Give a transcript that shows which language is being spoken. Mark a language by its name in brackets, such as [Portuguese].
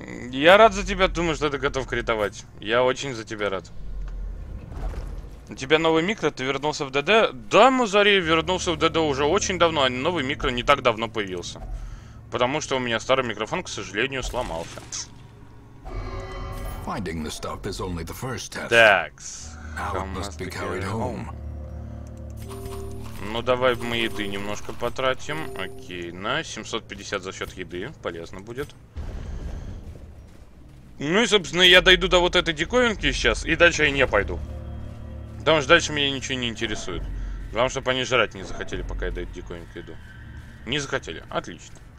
[Russian] Я рад за тебя, думаю, что ты готов критовать. Я очень за тебя рад. У тебя новый микро, ты вернулся в ДД? Да, Музари, вернулся в ДД уже очень давно, а новый микро не так давно появился. Потому что у меня старый микрофон, к сожалению, сломался. [English] Finding the stuff is only the first test. Dax. Now it must be carried home. [Russian] Ну давай мы еды немножко потратим. Окей, на 750 за счет еды. Полезно будет. Ну и, собственно, я дойду до вот этой диковинки сейчас, и дальше я не пойду. Потому что дальше меня ничего не интересует. Главное, чтобы они жрать не захотели, пока я до этой диковинки иду. Не захотели. Отлично.